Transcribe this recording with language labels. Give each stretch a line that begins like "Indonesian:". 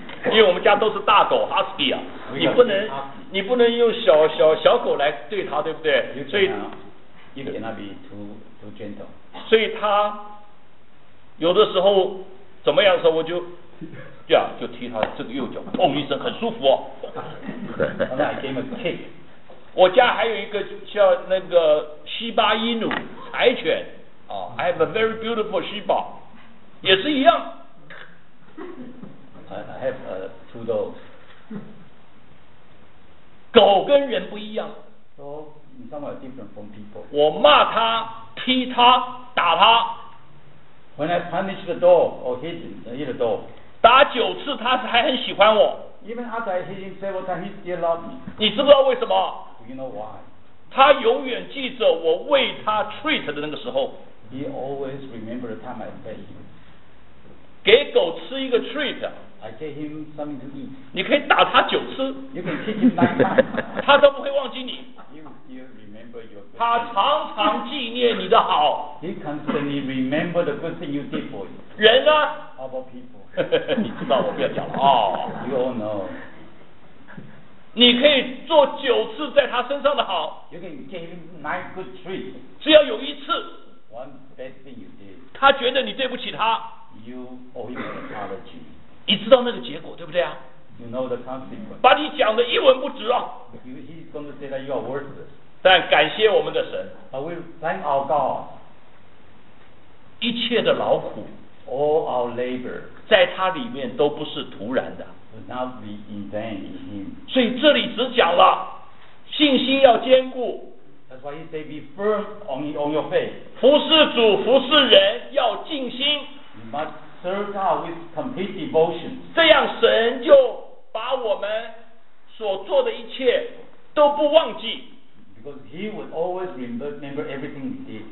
Chinese: 因为我们家都是大狗 Husky 啊，你不能用小狗来对它，对不对？
English: You cannot be too gentle.
Chinese: 所以它有的时候怎么样的时候，我就这样就踢它这个右脚，砰一声，很舒服哦。
English: And I gave a kick.
Chinese: 我家还有一个叫那个西巴伊努柴犬啊、
English: oh, I have a very beautiful
Chinese: 西巴，也是一样。
English: I have two dogs.
Chinese: 狗跟人不一样。
English: So, somewhat different from people.
Chinese: 我骂他，踢他，打他。
English: When I punish the dog or hit the dog.
Chinese: 打九次，他还很喜欢我。
English: Even after I hit him several times, he still loves me.
Chinese: 你知不知道为什么？
English: Do you know why?
Chinese: 他永远记着我为他 treat 的那个时候。
English: He always remembers the time I fed him.
Chinese: 给狗吃一个 treat。
English: I gave him something to eat.
Chinese: 你可以打他九次。
English: You can kick him nine times.
Chinese: 他都不会忘记你。
English: You remember your.
Chinese: 他常常纪念你的好。
English: He constantly remember the good thing you did for him.
Chinese: 人呢
English: ？Other people.
Chinese: 你知道我不要讲了
English: 啊。You all know.
Chinese: 你可以做九次在他身上的好。
English: You can give him nine good treats.
Chinese: 只要有一次。
English: One bad thing you did.
Chinese: 他觉得你对不起他。
English: You owe him an apology.
Chinese: 你知道那个结果对不对啊？
English: You know the consequence.
Chinese: 把你讲的一文不值啊！
English: He's going to say that you are worthless.
Chinese: 但感谢我们的神。
English: But we thank our God.
Chinese: 一切的劳苦
English: ，all our labor，
Chinese: 在他里面都不是徒然的。
English: Will not be in vain in him.
Chinese: 所以这里只讲了信心要坚固。
English: That's why he say be firm on your faith.
Chinese: 服侍主，服侍人要尽心。
English: You must. Serve God with complete devotion.
Chinese: 这样神就把我们所做的一切都不忘记。
English: Because He would always remember everything He did.